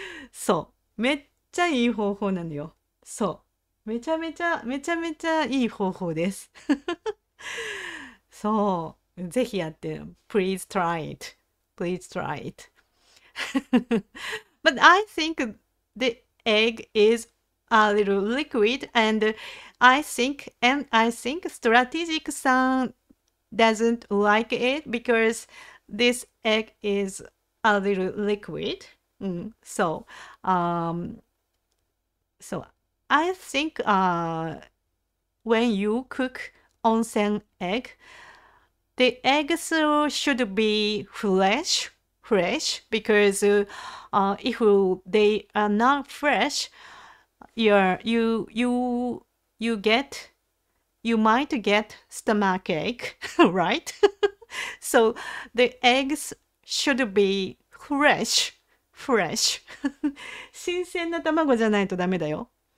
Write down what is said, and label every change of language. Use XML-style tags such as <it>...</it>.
<ja>そう、めっちゃいい方法なのよ。そう、めちゃめちゃいい方法です。そう、ぜひやって。</ja> <en>Please try it. But I think theEgg is a little liquid, and I think strategic son doesn't like it because this egg is a little liquid. So I think when you cook onsen egg, the eggs should be fresh because if they are not fresh, you might get stomachache, right? So the eggs should be fresh fresh.</en> <ja>新鮮な卵じゃないとダメだよ。</ja>